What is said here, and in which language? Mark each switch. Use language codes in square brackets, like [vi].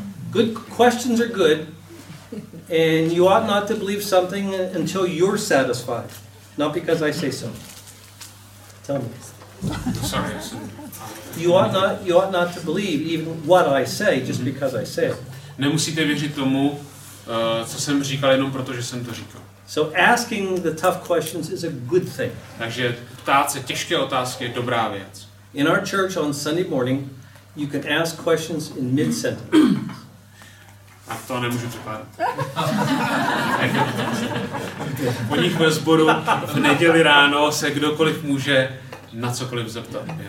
[en] Good questions are good, and you ought not to believe something until you're satisfied, not because I say so. Tell me. Sorry. You ought not to believe even what I say just because I say it. [cs] Nemusíte věřit tomu, co jsem říkal, jenom protože jsem to říkal. [en] So asking the tough questions is a good thing. [cs] Takže ptát se těžké otázky je dobrá věc. [en] In our church on Sunday morning, you can ask questions in mid sentence. [cs] A to nemůžu připadat. Po nich ve sboru v neděli ráno se kdokoliv může na cokoliv zeptat.